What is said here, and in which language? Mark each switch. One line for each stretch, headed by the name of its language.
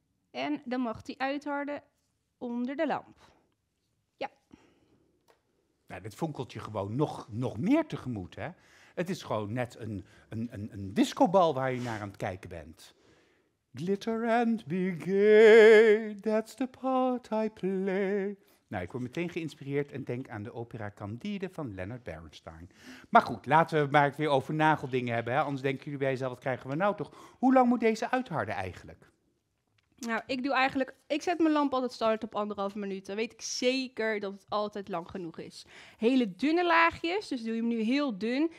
Dutch: En dan mag die uitharden onder de lamp. Ja. Nou, dit fonkelt je gewoon nog meer tegemoet, hè? Het is gewoon net een discobal waar je naar aan het kijken bent.
English: Glitter and be gay, that's the part I play.
Dutch: Nou, ik word meteen geïnspireerd en denk aan de opera Candide van Leonard Bernstein. Maar goed, laten we maar het weer over nageldingen hebben, hè? Anders denken jullie bij jezelf, wat krijgen we nou toch? Hoe lang moet deze uitharden eigenlijk? Nou, ik zet mijn lamp altijd start op 1,5 minuut. Dan weet ik zeker dat het altijd lang genoeg is. Hele dunne laagjes, dus doe je hem nu heel dun.